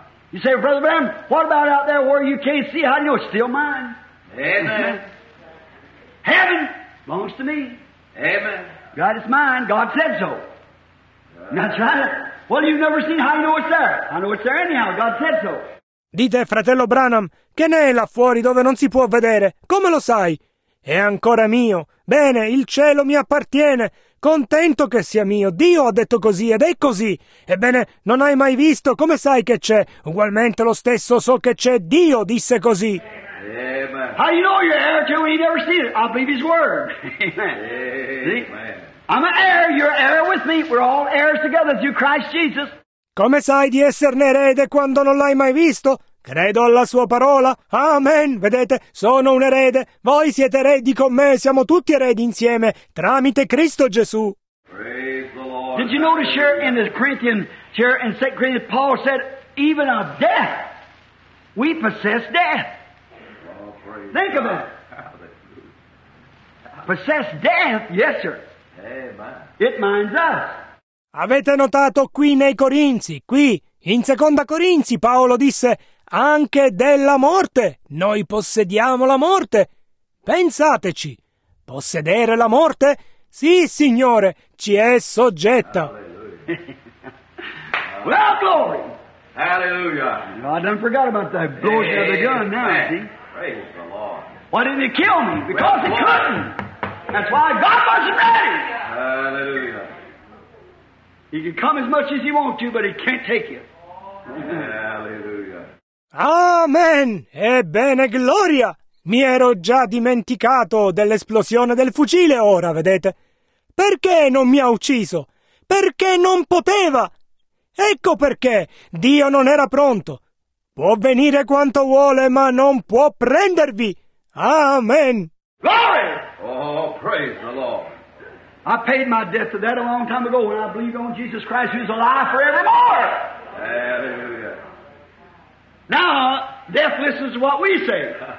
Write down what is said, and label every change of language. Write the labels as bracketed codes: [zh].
[en] You say, Brother Bram, what about out there where you can't see? I know it's still mine. Amen. Heaven belongs to me. Amen. God is mine. God said so. That's right. Well, you've never seen how you know it's there. I know it's there anyhow. God said so. [it] Dite, fratello Branham, che ne è là fuori dove non si può vedere? Come lo sai? È ancora mio. Bene, il cielo mi appartiene. Contento che sia mio. Dio ha detto così ed è così. Ebbene, non hai mai visto? Come sai che c'è? Ugualmente lo stesso so che c'è. Dio disse così. [en] Amen. How do you know you're heir to when you never see it? I believe His word. Amen. I'm an heir. You're heir with me. We're all heirs together through Christ Jesus. [it] Come sai di esserne erede quando non l'hai mai visto? Credo alla sua parola. Amen. Vedete, sono un erede. Voi siete eredi con me. Siamo tutti eredi insieme tramite Cristo Gesù. [en] Praise the Lord. Did you notice here in the Corinthians, here in 2 Corinthians, Paul said, even of death, we possess death. Well, think God. Of it. Possess death? Yes, sir. Amen. It minds us. [it] Avete notato qui nei Corinzi, qui, in 2 Corinzi, Paolo disse, anche della morte, noi possediamo la morte. Pensateci, possedere la morte? Sì, Signore, ci è soggetta. [en] Well, glory! Hallelujah! No, I done forgot about the blowing of the gun now, Amen. See? Praise the Lord. Why didn't he kill me? Because well, he couldn't! Lord. That's why God wasn't ready! Hallelujah! He can come as much as he wants to, but he can't take you. Hallelujah! [it] Amen! Ebbene, gloria! Mi ero già dimenticato dell'esplosione del fucile ora, vedete? Perché non mi ha ucciso? perché non poteva. Ecco perché Dio non era pronto. Può venire quanto vuole, ma non può prendervi. Amen. [en] Glory! Oh, praise the Lord. I paid my debt to that a long time ago when I believed on Jesus Christ, who's alive forevermore. Hallelujah. Now, death listens to what we say.